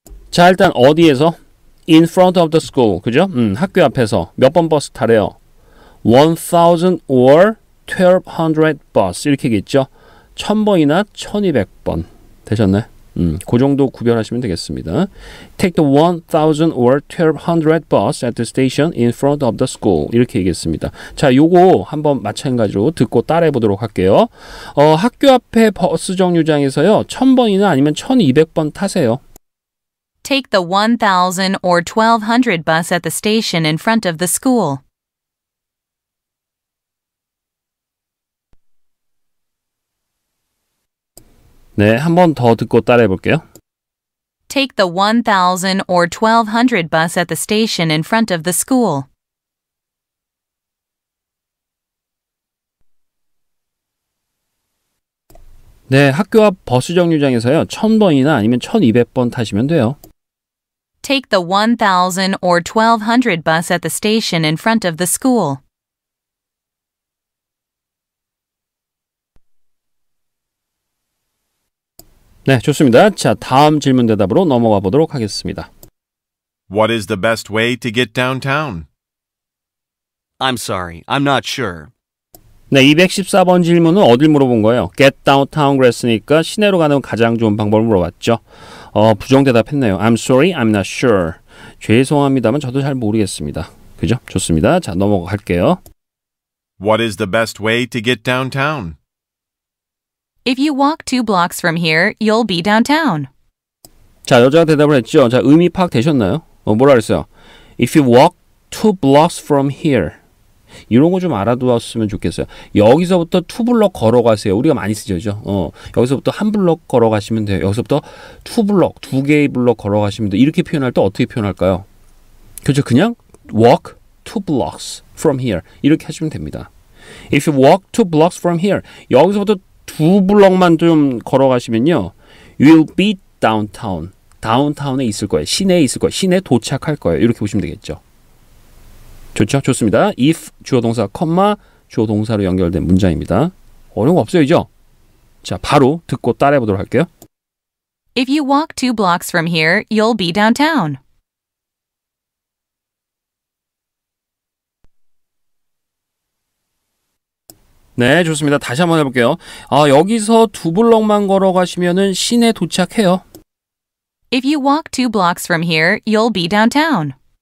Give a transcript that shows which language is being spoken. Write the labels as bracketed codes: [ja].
[ko] 자, 일단 어디에서? [en] In front of the school. [ko] 그죠? 학교 앞에서 몇 번 버스 타래요? [en] 1000 or 1200 bus [ko] 이렇게 있죠. 1000번이나 1200번 되셨네. 그 정도 구별하시면 되겠습니다. [en] Take the 1000 or 1200 bus at the station in front of the school. [ko] 이렇게 얘기했습니다. 자, 요거 한번 마찬가지로 듣고 따라해 보도록 할게요. 학교 앞에 버스 정류장에서요. 1000번이나 아니면 1200번 타세요. [en] Take the 1000 or 1200 bus at the station in front of the school. [ko] 네, 한 번 더 듣고 따라해 볼게요. [en] Take the 1000 or 1200 bus at the station in front of the school. [ko] 네, 학교 앞 버스 정류장에서요. 1000번이나 아니면 1200번 타시면 돼요. [en] Take the 1000 or 1200 bus at the station in front of the school. [ko] 네, 좋습니다. 자, 다음 질문 대답으로 넘어가 보도록 하겠습니다. [en] What is the best way to get downtown? I'm sorry, I'm not sure. [ko] 네, 214번 질문은 어딜 물어본 거예요? [en] Get downtown [ko] 그랬으니까 시내로 가는 가장 좋은 방법을 물어봤죠. 부정 대답했네요. [en] I'm sorry, I'm not sure. [ko] 죄송합니다만 저도 잘 모르겠습니다. 그죠? 좋습니다. 자, 넘어갈게요. [en] What is the best way to get downtown? If you walk two blocks from here, you'll be downtown. [ko] 자, 여자가 대답을 했죠. 자, 의미 파악되셨나요? 뭐라 그랬어요? [en] If you walk two blocks from here. [ko] 이런 거 좀 알아두었으면 좋겠어요. 여기서부터 [en] two block [ko] 걸어가세요. 우리가 많이 쓰죠. 여기서부터 한 블록 걸어가시면 돼요. 여기서부터 [en] two block, [ko] 두 개의 블록 걸어가시면 돼요. 이렇게 표현할 때 어떻게 표현할까요? 그렇죠. 그냥 [en] walk two blocks from here. [ko] 이렇게 하시면 됩니다. [en] If you walk two blocks from here. [ko] 여기서부터 두 블럭만 좀 걸어가시면요. [en] You'll be downtown. [ko] 다운타운에 있을 거예요. 시내에 있을 거예요. 시내에 도착할 거예요. 이렇게 보시면 되겠죠. 좋죠? 좋습니다. If 주어동사, 콤마 주어동사로 연결된 문장입니다. 어려운 거 없어요, 이죠? 자, 바로 듣고 따라해 보도록 할게요. [en] If you walk two blocks from here, you'll be downtown. [ko] 네, 좋습니다. 다시 한번 해볼게요. 여기서 두 블럭만 걸어가시면은 시내 도착해요. [en] If you walk two blocks from here, you'll be downtown.